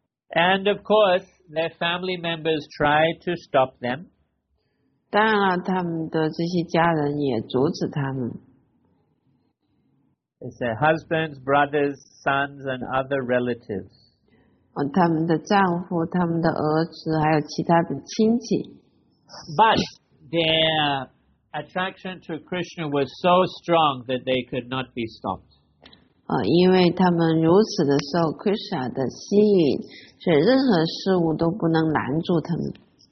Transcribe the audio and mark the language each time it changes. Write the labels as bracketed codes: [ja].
[en] And of course, their family members tried to stop them. [zh] 当然了，他们的这些家人也阻止他们。 [en] They said husbands, brothers, sons, and other relatives. [zh] 他们的丈夫，他们的儿子，还有其他的亲戚。 [en] But their attraction to Krishna was so strong that they could not be stopped. [zh] 因为他们如此的受 Krishna 的吸引，所以任何事物都不能拦住他们。